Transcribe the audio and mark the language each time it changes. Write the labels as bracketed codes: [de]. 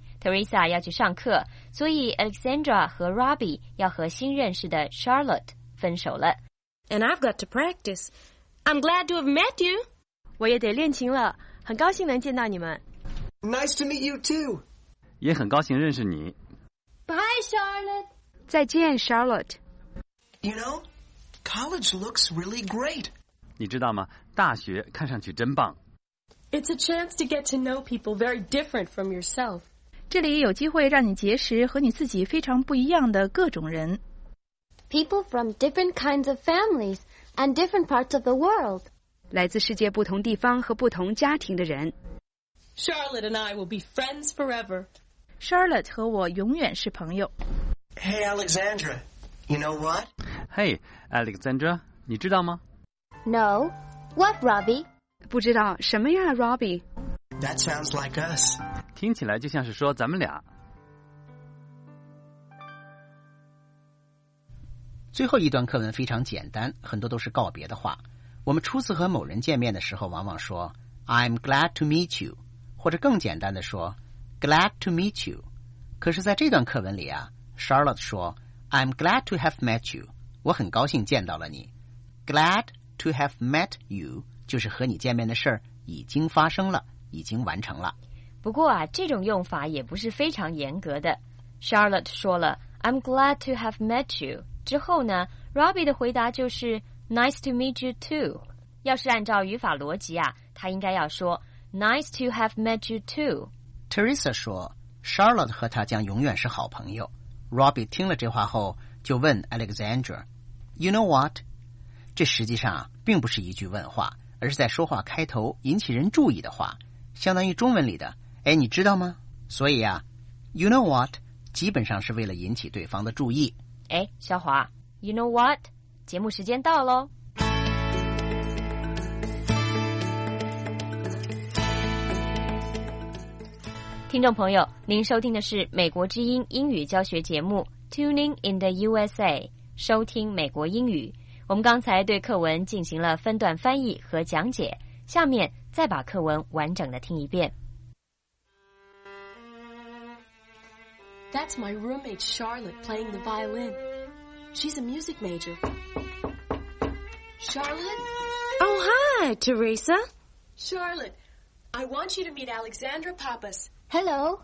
[zh] Teresa 要去上课，所以 Alexandra 和 Robbie 要和新认识的 Charlotte 分手了。 [en] And I've got to practice. I'm glad to have met you. [zh] 我也得练琴了，很高兴能见到你们。 [en] Nice to meet you too. [zh] 也很高兴认识你。 [en] Bye, Charlotte. [zh] 再见 ，Charlotte. [en] You know, college looks really great. [zh] 你知道吗？大学看上去真棒。 [en] It's a chance to get to know people very different from yourself. [zh] 这里有机会让你结识和你自己非常不一样的各种人。 [en] People from different kinds of families and different parts of the world. [zh] 来自世界不同地方和不同家庭的人。 [en] Charlotte and I will be friends forever. [zh] Charlotte 和我永远是朋友。 [en] Hey, Alexandra, you know what? [zh] Hey, Alexandra, 你知道吗？ [en] No. What, Robbie? [zh] 不知道什么呀 Robbie? [en] That sounds like us. [zh] 听起来就像是说咱们俩。最后一段课文非常简单，很多都是告别的话。我们初次和某人见面的时候往往说 [en] I'm glad to meet you， [zh] 或者更简单的说 [en] glad to meet you。 [zh] 可是在这段课文里啊， Charlotte 说 [en] I'm glad to have met you， [zh] 我很高兴见到了你。 [en] GladTo have met you [zh] 就是和你见面的事儿已经发生了，已经完成了。不过啊，这种用法也不是非常严格的。 Charlotte 说了 [en] I'm glad to have met you [zh] 之后呢， Robbie 的回答就是 [en] Nice to meet you too。 [zh] 要是按照语法逻辑啊，他应该要说 [en] Nice to have met you too。 [zh] Teresa 说 Charlotte 和他将永远是好朋友。 Robbie 听了这话后就问 Alexandra， [en] You know what? [zh] 这实际上并不是一句问话，而是在说话开头引起人注意的话，相当于中文里的哎，你知道吗？所以啊 ， [en] you know what， [zh] 基本上是为了引起对方的注意。哎，小华 ， [en] you know what， [zh] 节目时间到喽。听众朋友，您收听的是美国之音英语教学节目 Tuning in the USA， 收听美国英语。我们刚才对课文进行了分段翻译和讲解，下面再把课文完整的听一遍。 [en] That's my roommate Charlotte playing the violin. She's a music major. Charlotte? Oh, hi, Teresa. Charlotte, I want you to meet Alexandra Pappas. Hello.